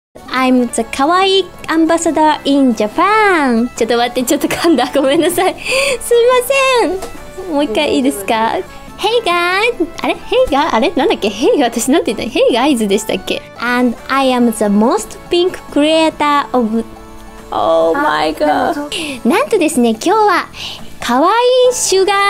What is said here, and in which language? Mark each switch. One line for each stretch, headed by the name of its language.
English: I'm the kawaii ambassador in Japan.
Japanese: ちょっと待って、ちょっと噛んだ。ごめんなさい。すいません。もう一回いいですか？
English: Hey guys!
Japanese: あれ ?
English: Hey guys?
Japanese: あれ、なんだっけ ?Hey guys? 私なんて言ったの ?Hey guys でしたっけ ?
English: And I am the most pink creator of... Oh my god!
Japanese: なんとですね、今日は kawaii sugar...